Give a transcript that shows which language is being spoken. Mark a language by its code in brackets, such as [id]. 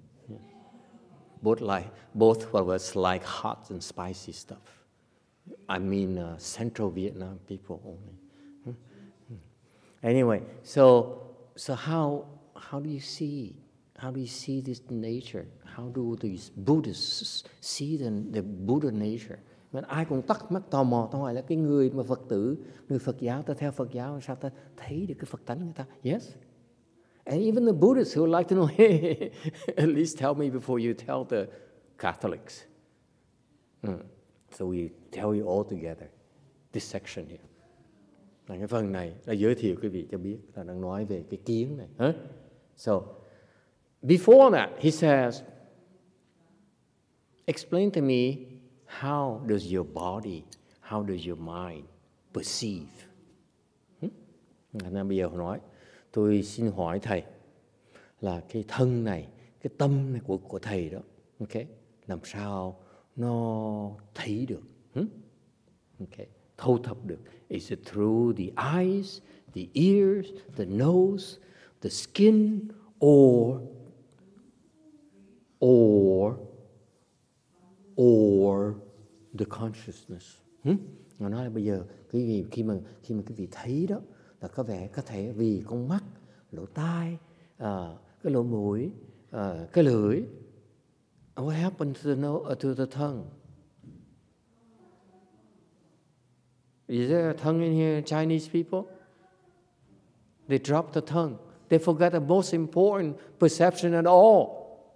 [en] Yeah. Both of us like hot and spicy stuff. I mean, Central Vietnam people only. Anyway, so how do you see? How do you see this nature? How do these Buddhists see the Buddha nature? [vi] Mình ai cũng tắc mắc tò mò, tôi hỏi là cái người mà Phật tử, người Phật giáo, ta theo Phật giáo, sao ta thấy được cái Phật tánh người ta? [en] Yes? And even the Buddhists who like to know, hey, at least tell me before you tell the Catholics. So we tell you all together, this section here. [vi] Là cái phần này, là giới thiệu quý vị cho biết, là đang nói về cái kiến này. [en] So, before that, he says, explain to me, how does your body, how does your mind perceive? [vi] Bây giờ nói, tôi xin hỏi thầy, là cái thân này, cái tâm này của thầy đó, okay, làm sao nó thấy được? Okay, thâu thập được. [en] Is it through the eyes, the ears, the nose, the skin, or the consciousness? [vi] Nó nói là bây giờ khi mà quý vị thấy đó, là có vẻ có thể vì con mắt, lỗ tai, cái lỗ mũi, cái lưỡi. [en] What happened to the tongue? Is there a tongue in here, Chinese people? They drop the tongue. They forget the most important perception at all.